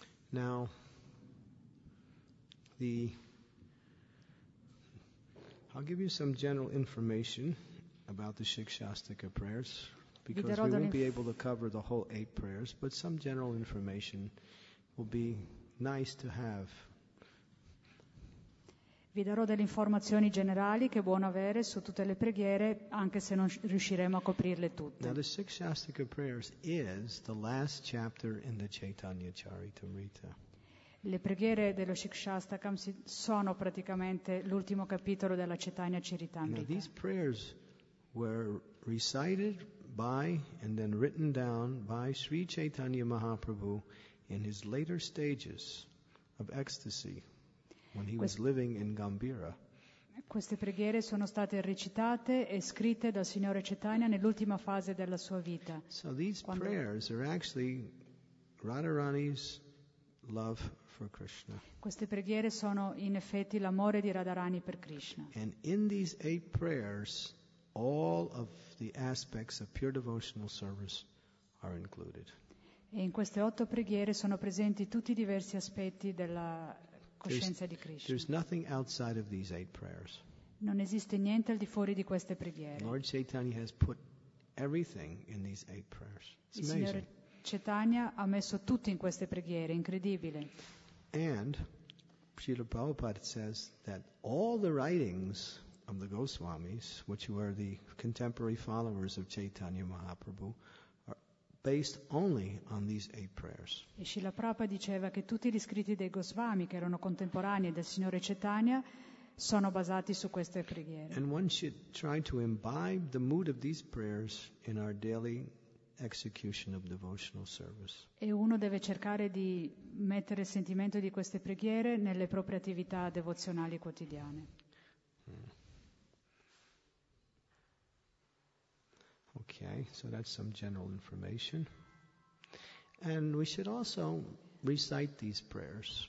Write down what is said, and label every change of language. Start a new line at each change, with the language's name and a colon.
English: Now, I'll give you some general information about the Shikshastaka prayers, because we won't be able to cover the whole eight prayers, but some general information will be nice to have.
Italian: Vi darò delle informazioni generali che è buono avere su tutte le preghiere, anche se non riusciremo a coprirle tutte.
English: Now, the Shikshastika prayers is the last chapter in the Chaitanya Charitamrita.
Italian: Le preghiere dello Shikshastakam sono praticamente l'ultimo capitolo della Chaitanya Charitamrita.
English: Now, these prayers were recited by and then written down by Sri Chaitanya Mahaprabhu in his later stages of ecstasy. When he was living in Gambira.
Italian: Queste preghiere sono state recitate e scritte dal signore Chaitanya nell'ultima fase della sua vita.
English: So these prayers are actually Radharani's love for Krishna.
Italian: Queste preghiere sono in effetti l'amore di Radharani per Krishna.
English: And in these eight prayers, all of the aspects of pure devotional service are included.
Italian: E in queste otto preghiere sono presenti tutti i diversi aspetti della
English: There's nothing outside of these eight prayers.
Italian: Non esiste niente al di fuori di queste preghiere.
English: Lord Chaitanya has put everything in these eight prayers. It's
Italian: Il Signore
English: amazing.
Italian: Chaitanya ha messo tutto in queste preghiere, incredibile.
English: And Srila Prabhupada says that all the writings of the Goswamis, which were the contemporary followers of Chaitanya Mahaprabhu, based only on these eight prayers.
Italian: E Srila Prabhupada diceva che tutti gli scritti dei Gosvami che erano contemporanei del signore Chaitanya sono basati su queste preghiere.
English: And one should try to imbibe the mood of these prayers in our daily execution of devotional service.
Italian: E uno deve cercare di mettere il sentimento di queste preghiere nelle proprie attività devozionali quotidiane.
English: Okay, so that's some general information. And we should also recite these prayers.